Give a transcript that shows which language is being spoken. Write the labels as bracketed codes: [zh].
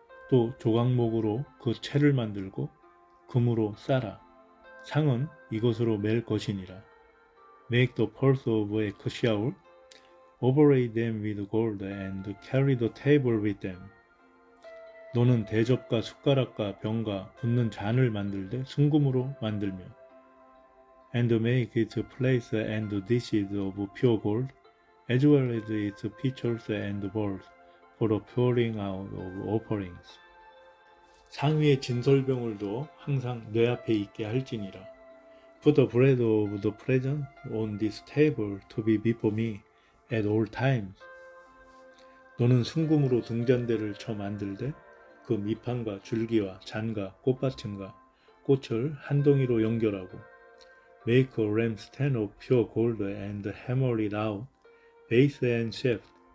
[ko] 또 조각목으로 그 채를 만들고 금으로 싸라. 상은 이것으로 멜 것이니라. [en] Make the poles of acacia wood, overlay them with gold and carry the table with them. [ko] 너는 대접과 숟가락과 병과 붓는 잔을 만들되 순금으로 만들며 [en] And make its place and dishes of pure gold, as well as its pitchers and bowls, for the pouring out of offerings. [ko] 상 위에 진설병을 두어 항상 뇌 앞에 있게 할지니라. [en] Put the bread of the presence on this table to be before me at all times. [ko] 너는 순금으로 등잔대를 쳐 만들되 그 밑판과 줄기와 잔과 꽃받침과 꽃을 한 덩이로 연결하고 [en] Make a lampstand of pure gold and hammer it out, base and shaft.